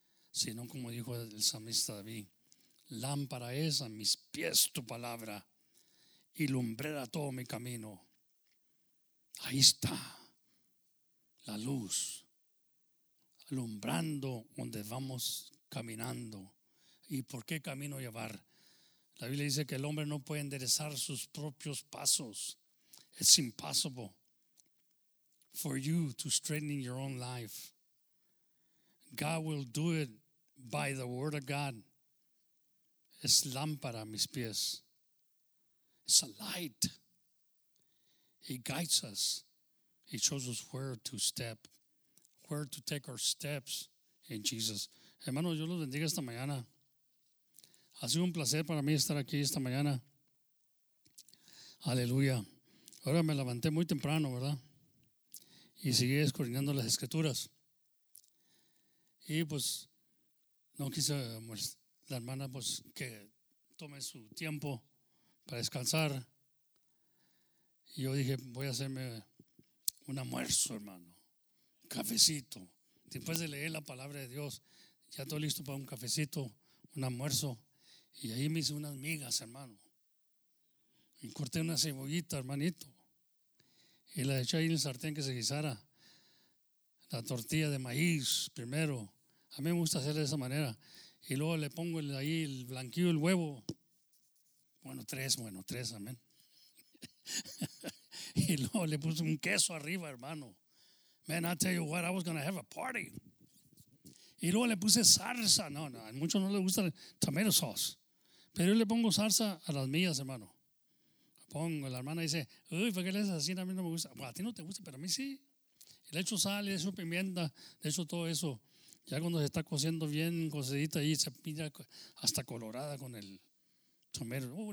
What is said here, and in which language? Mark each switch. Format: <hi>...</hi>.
<es>Sino como dijo el salmista David, lámpara es a mis pies tu palabra y lumbrera todo mi camino. Ahí está la luz, alumbrando donde vamos caminando. ¿Y por qué camino llevar? La Biblia dice que el hombre no puede enderezar sus propios pasos.</es> <en>It's impossible for you to straighten your own life. God will do it by the word of God.</en> <es>Es lámpara a mis pies.</es> <en>It's a light. He guides us. He shows us where to step, where to take our steps in Jesus.</en> <es>Hermanos, yo los bendiga esta mañana. Ha sido un placer para mí estar aquí esta mañana. Aleluya. Ahora me levanté muy temprano, ¿verdad? Y seguí escudriñando las escrituras. Y pues, no quise, pues, la hermana, pues, que tome su tiempo para descansar. Y yo dije, voy a hacerme un almuerzo, hermano. Un cafecito. Después de leer la palabra de Dios, ya todo listo para un cafecito, un almuerzo. Y ahí me hice unas migas, hermano. Y corté una cebollita, hermanito. Y la eché ahí en el sartén que se guisara. La tortilla de maíz primero. A mí me gusta hacerla de esa manera. Y luego le pongo ahí el blanquillo, el huevo. Bueno, tres, amén. Y luego le puse un queso arriba, hermano.</es> <en>Man, I tell you what, I was going to have a party.</en> <es>Y luego le puse salsa. No, a muchos no les gusta el tomato sauce. Pero yo le pongo salsa a las mías, hermano. Pongo, la hermana dice, uy, ¿por qué le haces así? A mí no me gusta. Bueno, a ti no te gusta, pero a mí sí. Le echo sal, le echo pimienta, le echo todo eso. Ya cuando se está cociendo bien, cocidita ahí, se pilla hasta colorada con el tomero.</es>